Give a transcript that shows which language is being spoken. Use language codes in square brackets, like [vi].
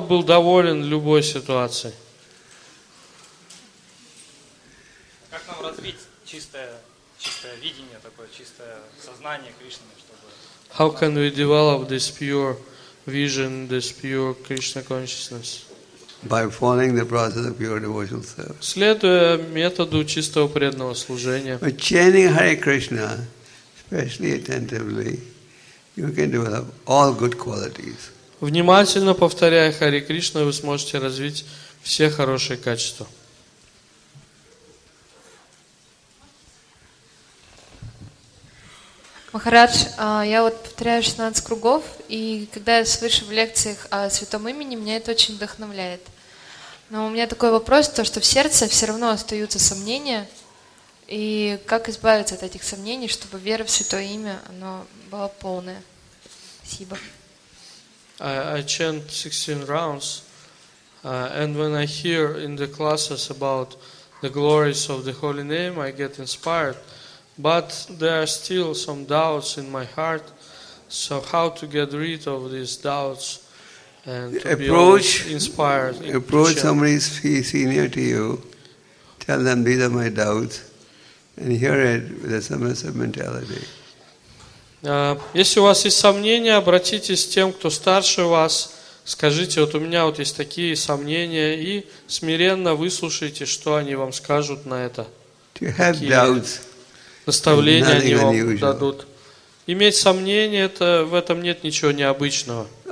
[ru] был доволен любой ситуацией. Как нам развить чистое видение, такое чистое сознание Кришны, чтобы... [en] How can we develop this pure vision, this pure Krishna consciousness? By following the process of pure devotional service. [ru] Следуя методу чистого преданного служения. [en] By chanting Hare Krishna, especially attentively, you can develop all good qualities. [ru] Внимательно повторяя Хари Кришну, вы сможете развить все хорошие качества. Махарадж, я вот повторяю 16 кругов, и когда я слышу в лекциях о святом имени, меня это очень вдохновляет. Но у меня такой вопрос, то, что в сердце все равно остаются сомнения, и как избавиться от этих сомнений, чтобы вера в святое имя, оно была полная. [en] I chant 16 rounds, and when I hear in the classes about the glories of the holy name, I get inspired. But there are still some doubts in my heart. So how to get rid of these doubts and to approach, be always inspired? Approach somebody senior to you. Tell them these are my doubts, and hear it with a submissive mentality. [ru] Если у вас есть сомнения, обратитесь к тем, кто старше вас. Скажите, вот у меня вот есть такие сомнения, и смиренно выслушайте, что они вам скажут на это. Какие наставления они вам дадут. Иметь сомнения, это, в этом нет ничего необычного.